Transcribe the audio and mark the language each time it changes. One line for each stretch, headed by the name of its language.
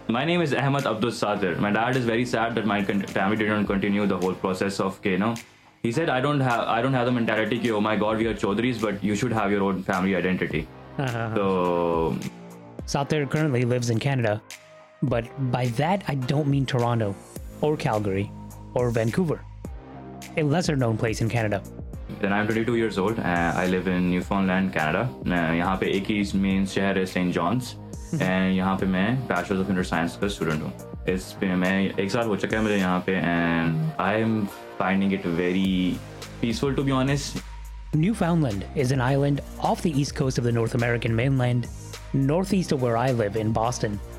English: My name is Ahmed Abdul Sathir. My dad is very sad that my family didn't continue the whole process of, you know, he said I don't have the mentality ki, oh my god we are Chaudhrys, but you should have your own family identity. So Sathir currently lives in Canada, but by that I don't mean Toronto or Calgary or Vancouver, a lesser known place in Canada. Then I'm 22 years old. I live in Newfoundland, Canada.
Hindi: यहाँ पे एक ही main शहर है St.
English: John's. And
Hindi: यहाँ पे मैं
English: Bachelor of Computer Science का student हूँ. It's been
Hindi: मैं एक साल हो चुका है मुझे यहाँ पे,
English: and I'm finding it very peaceful to be honest. Newfoundland is an island off the east coast of the North American mainland, northeast of where I live in Boston.